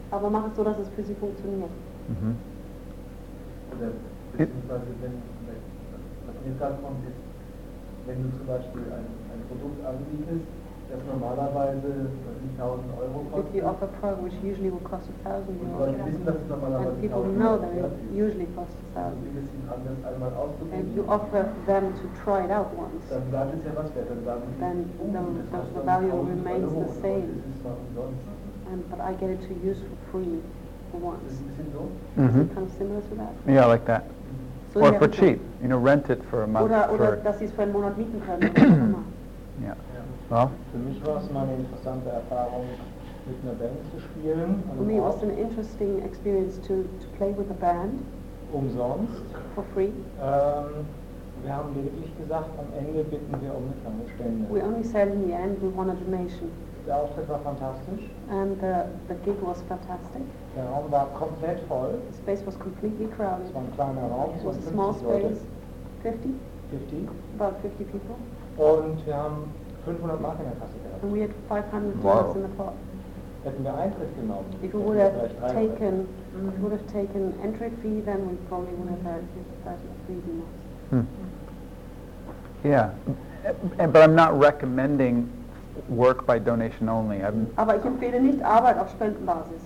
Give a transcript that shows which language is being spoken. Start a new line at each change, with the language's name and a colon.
German: Aber mach es so, dass es für sie funktioniert. Mm-hmm. Wenn du zum Beispiel ein Produkt anbietest, das normalerweise 1.000 Euro kostet.
English: If you offer a product which usually will cost 1.000 Euro.
German: Und wissen, dass es normalerweise
English: 1.000 Euro. And people know that it usually costs 1.000.
German: Ein bisschen anders, einmal auszuprobieren.
English: And you offer them to try it out once.
German: Dann bleibt es ja was wert.
English: Then the value remains the same. But I get it to use for free for once.
German: Ist es ein bisschen so?
English: Mm-hmm. Is it kind of similar to that? Yeah, like that. Or for cheap, you know, rent it for a month.
German: Oder dass sie es für einen Monat mieten können.
English: Yeah. Well.
German: Für mich war es mal eine interessante Erfahrung, mit einer Band zu spielen.
English: For me, it was an interesting experience to play with a band.
German: Umsonst.
English: For free.
German: Wir haben wirklich gesagt, am Ende bitten wir um eine kleine Spende.
English: We only said in the end we want a donation.
German: Der Auftritt war fantastisch.
English: And the gig was fantastic.
German: Der Raum war komplett voll.
English: The space was completely crowded.
German: Es war ein kleiner Raum.
English: It was a small space. 50? 50. About 50 people.
German: Und wir haben 500 Mark in der Kasse gehabt.
English: And we had 500 dollars in the pot.
German: Hätten wir Eintritt genommen.
English: If we would have taken, if we would have taken entry fee, then we probably would have had 50,000 dollars. Yeah. But I'm not recommending work by donation only.
German: Aber ich empfehle nicht Arbeit auf Spendenbasis.